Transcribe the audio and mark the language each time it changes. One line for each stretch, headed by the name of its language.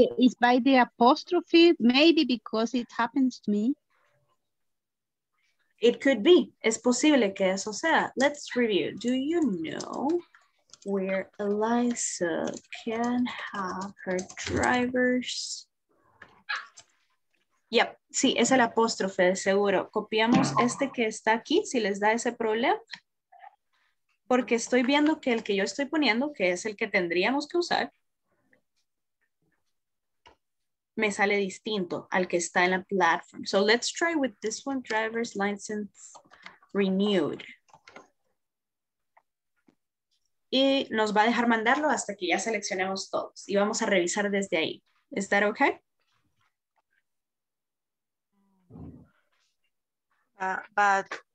English: It's by the apostrophe, maybe because it happens to me. It could be.
Spanish: Es posible que eso sea.
English: Let's review. Do you know where Eliza can have her driver's? Yep.
Spanish: Sí, es el apóstrofe, seguro. Copiamos este que está aquí, si les da ese problema. Porque estoy viendo que el que yo estoy poniendo, que es el que tendríamos que usar, me sale distinto al que está en la plataforma.
English: So let's try with this one, driver's license renewed.
Spanish: Y nos va a dejar mandarlo hasta que ya seleccionemos todos. Y vamos a revisar desde ahí.
English: Is that okay? But